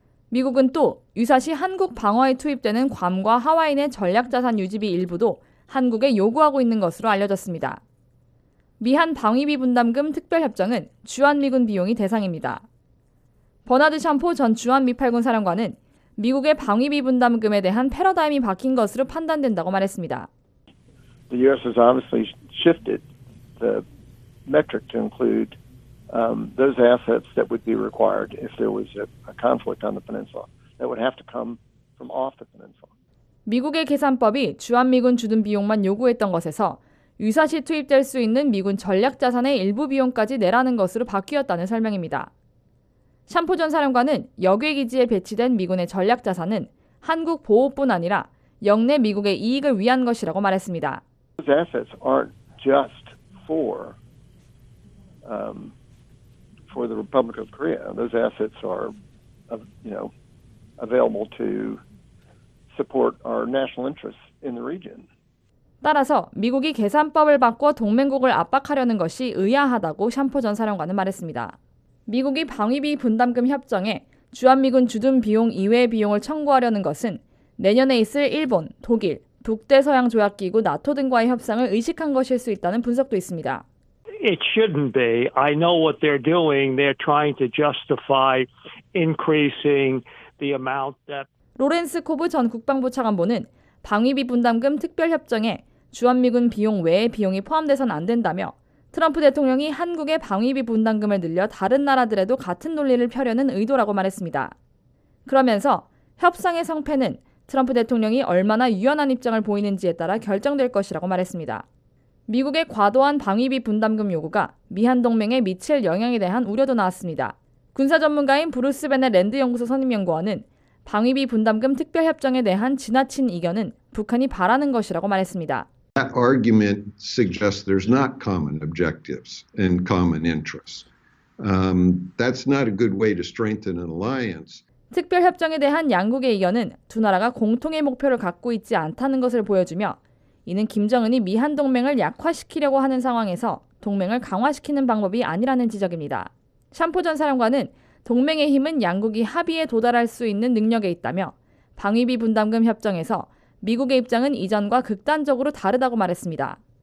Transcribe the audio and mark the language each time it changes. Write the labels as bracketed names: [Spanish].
[Korean] 미국은 또 유사시 한국 방어에 투입되는 괌과 하와이의 전략자산 유지비 일부도 한국에 요구하고 있는 것으로 알려졌습니다. 미한 방위비 분담금 특별협정은 주한미군 비용이 대상입니다. 버나드 샴포 전 주한미팔군 사령관은 미국의 방위비 분담금에 대한 패러다임이 바뀐 것으로 판단된다고 말했습니다. [English] The U.S. has obviously shifted the metric to include those assets that would be required if there was a conflict on the peninsula. That would have to come from off the peninsula. [Korean] 미국의 계산법이 주한미군 주둔 비용만 요구했던 것에서 유사시 투입될 수 있는 미군 전략 자산의 일부 비용까지 내라는 것으로 바뀌었다는 설명입니다. 샴포 전 사령관은 역외 기지에 배치된 미군의 전략 자산은 한국 보호뿐 아니라 역내 미국의 이익을 위한 것이라고 말했습니다. [English] These assets aren't just for the Republic of Korea. Those assets are, available to support our national interests in the region. [Korean] 따라서 미국이 계산법을 바꿔 동맹국을 압박하려는 것이 의아하다고 샴포 전 사령관은 말했습니다. 미국이 방위비 분담금 협정에 주한미군 주둔 비용 이외의 비용을 청구하려는 것은 내년에 있을 일본, 독일, 북대서양 조약기구 나토 등과의 협상을 의식한 것일 수 있다는 분석도 있습니다. [English] It shouldn't be. I know what they're doing. They're trying to justify increasing the amount that [Korean] 로렌스 코브 전 국방부 차관보는 방위비 분담금 특별협정에 주한미군 비용 외의 비용이 포함돼선 안 된다며 트럼프 대통령이 한국의 방위비 분담금을 늘려 다른 나라들에도 같은 논리를 펴려는 의도라고 말했습니다. 그러면서 협상의 성패는 트럼프 대통령이 얼마나 유연한 입장을 보이는지에 따라 결정될 것이라고 말했습니다. 미국의 과도한 방위비 분담금 요구가 미한 동맹에 미칠 영향에 대한 우려도 나왔습니다. 군사 전문가인 브루스 베넷 랜드 연구소 선임 연구원은 방위비 분담금 특별협정에 대한 지나친 이견은 북한이 바라는 것이라고 말했습니다. [English] That argument suggests there's not common objectives and common interests. That's not a good way to strengthen an alliance. [Korean] 특별협정에 대한 양국의 이견은 두 나라가 공통의 목표를 갖고 있지 않다는 것을 보여주며 이는 김정은이 미한 동맹을 약화시키려고 하는 상황에서 동맹을 강화시키는 방법이 아니라는 지적입니다. 샴포 전 사령관은 동맹의 힘은 양국이 합의에 도달할 수 있는 능력에 있다며 방위비 분담금 협정에서 미국의 입장은 이전과 극단적으로 다르다고 말했습니다.